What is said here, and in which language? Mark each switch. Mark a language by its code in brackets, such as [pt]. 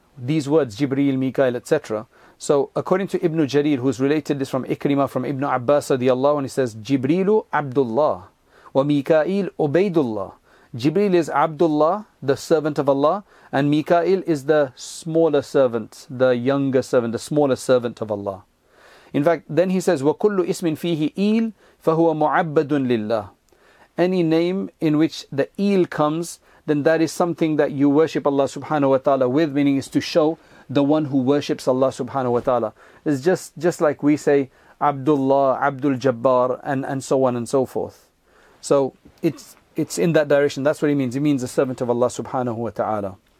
[en] These words, Jibreel, Mikael, etc. So according to Ibn Jarir, who's related this from Ikrimah, from Ibn Abbas, radiallahu, and he says, [ar] Jibreelu Abdullah, wa Mikael Ubaidullah. [en] Jibreel is Abdullah, the servant of Allah, and Mika'il is the smaller servant, the younger servant, the smaller servant of Allah. In fact, then he says, [ar] وَكُلُّ إِسْمٍ فِيهِ إِيلٍ فَهُوَ مُعَبَّدٌ لِلَّهِ. [en] Any name in which the eel comes, then that is something that you worship Allah subhanahu wa ta'ala with, meaning is to show the one who worships Allah subhanahu wa ta'ala. It's just like we say, Abdullah, Abdul Jabbar, and so on and so forth. So, it's in that direction. That's what he means. He means a servant of Allah subhanahu wa ta'ala.